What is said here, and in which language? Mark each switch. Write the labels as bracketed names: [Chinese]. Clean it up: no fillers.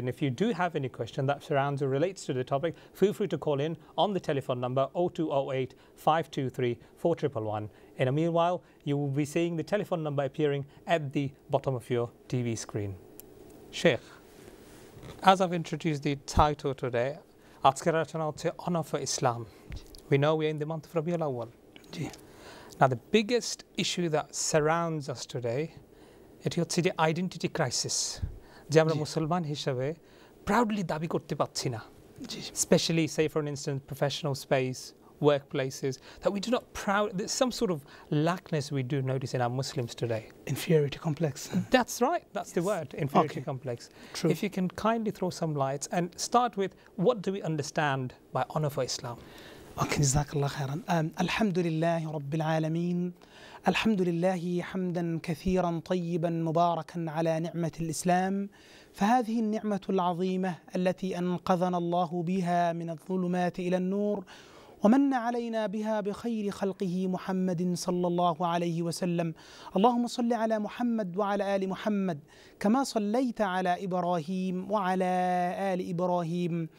[English] And if you do have any question that surrounds or relates to the topic, feel free to call in on the telephone number 0208 523 4111. In a meanwhile, you will be seeing the telephone number appearing at the bottom of your TV screen. Sheikh, as I've introduced the title today, [Bangla] Aajker Alochona Hocche [English] Honor for Islam. We know we're in the month of Rabiul Awwal. Now, the biggest issue that surrounds us today, [Bangla] এটি হচ্ছে যে identity crisis যে আমরা মুসলমান হিসাবে proudly দাবি করতে পাচ্ছি না [English] specially say for instance professional space work places that we do not proud some sort of lackness we do notice in our Muslims today inferiority complex that's right that's the word inferiority complex if you can kindly throw some lights and start with what do we understand by honour for Islam [Arabic] اوكي جزاك الله خيرا الحمد لله رب العالمين الحمد لله حمدا كثيرا طيبا مباركا على نعمة الإسلام فهذه النعمة العظيمة التي أنقذنا الله بها من الظلمات إلى النور ومن علينا بها بخير خلقه محمد صلى الله عليه وسلم اللهم صل على محمد وعلى آل محمد كما صليت على إبراهيم وعلى آل إبراهيم